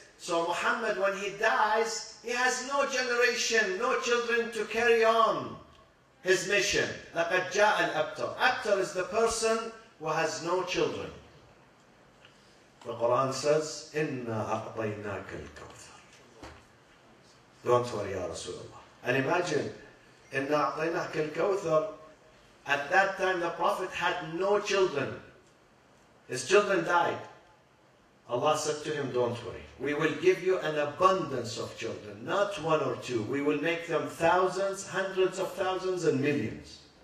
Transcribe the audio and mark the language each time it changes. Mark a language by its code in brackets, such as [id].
[en] So Muhammad, when he dies, he has no generation, no children to carry on his mission. [ar] لَقَدْ جَاءَ الْأَبْتَرُ. [en] Abtar is the person who has no children. The Quran says, [ar] إِنَّا أَعْطَيْنَاكَ الْكَوْثَرُ. [en] Don't worry, Ya Rasulullah. And imagine, [ar] إِنَّا أَعْطَيْنَاكَ الْكَوْثَرُ. [en] At that time, the Prophet had no children. His children died. Allah said to him, don't worry. We will give you an abundance of children, not 1 or 2. We will make them thousands, hundreds of thousands, and millions.